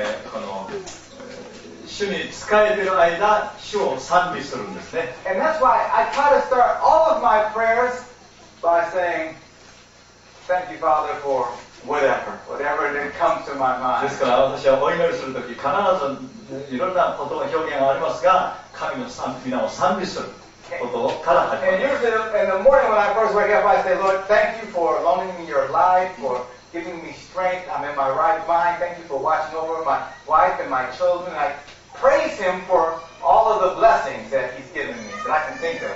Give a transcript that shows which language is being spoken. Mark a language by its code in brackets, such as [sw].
[ja] この主に仕えている間、主を賛美するんですね。 [en] And that's why I try to start all of my prayers by saying,Thank you, Father, for whatever that comes to my mind. [ja] ですから私はお祈りするとき必ずいろんな言葉表現がありますが、神の皆を賛美することから始まります。 [en] And usually in the morning when I first wake up, I say, Lord, thank you for loaning me your life, for giving me strength. I'm in my right mind. Thank you for watching over my wife and my children. I praise him for all of the blessings that he's given me that I can think of.